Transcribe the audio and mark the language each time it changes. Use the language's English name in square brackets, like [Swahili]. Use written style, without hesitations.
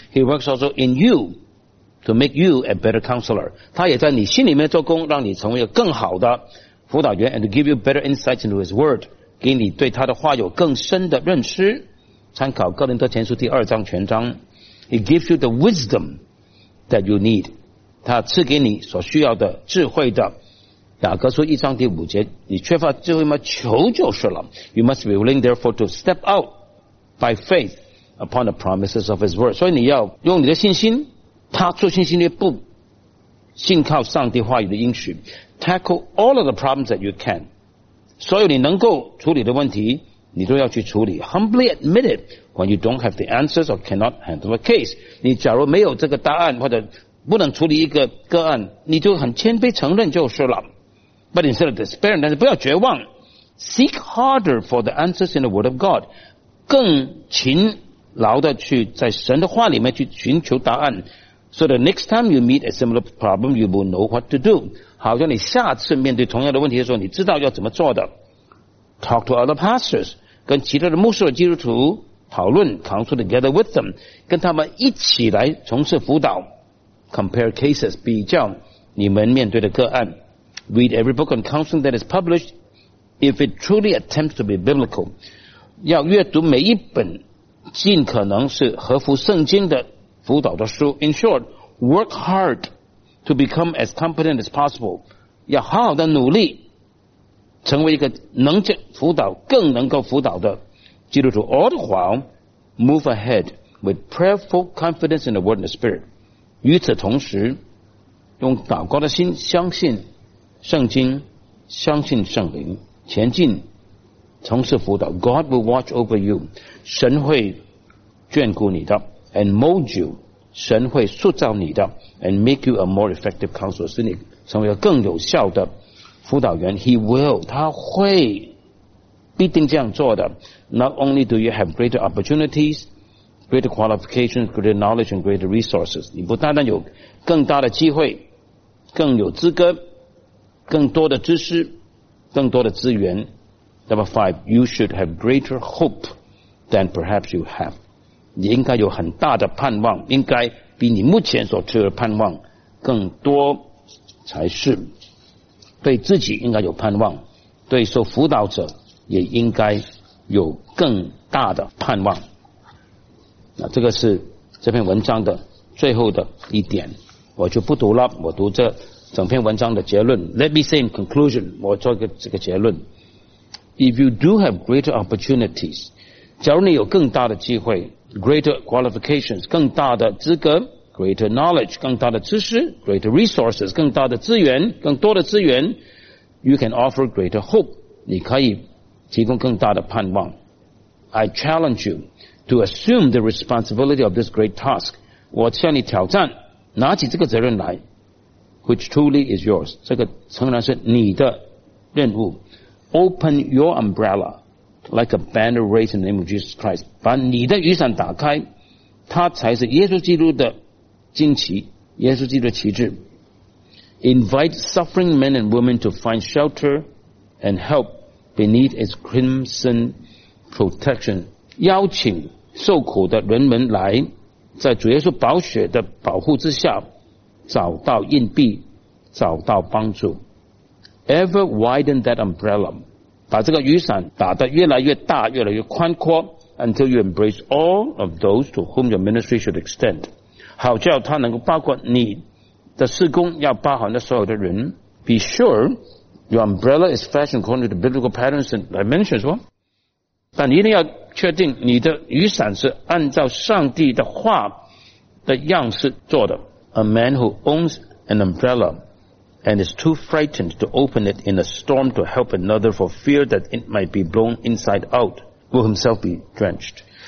[English] He works also in you to make you a better counselor. [Chinese] 他也在你心里面做工，让你成为一个更好的辅导员 ， [English] and to give you better insight into His Word, [Chinese] 给你对他的话有更深的认识。参考哥林多前书第二章全章。 [English] He gives you the wisdom that you need. [Chinese] 他赐给你所需要的智慧的。雅各书一章第五节，你缺乏智慧吗？求就是了。 [English] You must be willing therefore to step out by faith upon the promises of His Word. [Chinese] 所以你要用你的信心踏出信心的一步，信靠上帝话语的应许。 [English] Tackle all of the problems that you can. [Chinese] 所有你能够处理的问题你都要去处理。 [English] Humbly admit it when you don't have the answers or cannot handle a case. [Chinese] 你假如没有这个答案或者不能处理一个个案，你就很谦卑承认就是了。 [English] But instead of despair, [Chinese] 但是不要绝望。 [English] Seek harder for the answers in the Word of God. [Chinese] 更勤劳的去在神的话里面去寻求答案。 [English] So the next time you meet a similar problem, you will know what to do. [Chinese] 好像你下次面对同样的问题的时候，你知道要怎么做的。 [English] Talk to other pastors, [Chinese] 跟其他的牧师和基督徒讨论 [English] counsel together with them, [Chinese] 跟他们一起来从事辅导。 [English] Compare cases, [Chinese] 比较你们面对的个案。 [English] Read every book on counseling that is published if it truly attempts to be biblical. [Chinese] 要阅读每一本尽可能是合乎圣经的辅导的书。 [English] In short, work hard to become as competent as possible. [Chinese] 要好好的努力成为一个能辅导更能够辅导的基督徒。 [English] All the while, move ahead with prayerful confidence in the Word and the Spirit. [Chinese] 与此同时用祷告的心相信圣经，相信圣灵，前进，从事辅导。 [English] God will watch over you. [Chinese] 神会眷顾你的。 [English] And mold you. [Chinese] 神会塑造你的。 [English] And make you a more effective counselor. [Chinese] 使你成为一个更有效的辅导员。 [English] He will. [Chinese] 他会必定这样做的。 [English] Not only do you have greater opportunities, greater qualifications, greater knowledge, and greater resources. [Chinese] 你不单单有更大的机会，更有资格，更多的知识，更多的资源。 [English] Number five, you should have greater hope than perhaps you have. [Chinese] 你应该有很大的盼望，应该比你目前所持有的盼望更多才是。对自己应该有盼望，对受辅导者也应该有更大的盼望。那这个是这篇文章的最后的一点，我就不读了，我读这整篇文章的结论。 [English] Let me say in conclusion, [Chinese] 我做一个这个结论。 [English] If you do have greater opportunities, [Chinese] 假如你有更大的机会， [English] greater qualifications, [Chinese] 更大的资格， [English] greater knowledge, [Chinese] 更大的知识， [English] greater resources, [Chinese] 更大的资源，更多的资源， [English] you can offer greater hope, [Chinese] 你可以提供更大的盼望。 [English] I challenge you to assume the responsibility of this great task, [Chinese] 我向你挑战，拿起这个责任来。 [English] Which truly is yours. [Chinese] 这个仍然是你的任务。 [English] Open your umbrella like a banner raised in the name of Jesus Christ. [Chinese] 把你的雨伞打开，它才是耶稣基督的旌旗，耶稣基督的旗帜。 [English] Invite suffering men and women to find shelter and help beneath its crimson protection. [Chinese] 邀请受苦的人们来，在主耶稣宝血的保护之下找到硬币，找到帮助。 [English] Ever widen that umbrella, [Chinese] 把这个雨伞打得越来越大，越来越宽阔， [English] until you embrace all of those to whom your ministry should extend. [Chinese] 好叫它能够包括你的事工，要包含的所有的人。 [English] Be sure your umbrella is fashioned according to the biblical patterns and dimensions. [Chinese] 但你一定要确定你的雨伞是按照上帝的话的样式做的。 [English] A man who owns an umbrella and is too frightened to open it in a storm to help another for fear that it might be blown inside out will himself be drenched.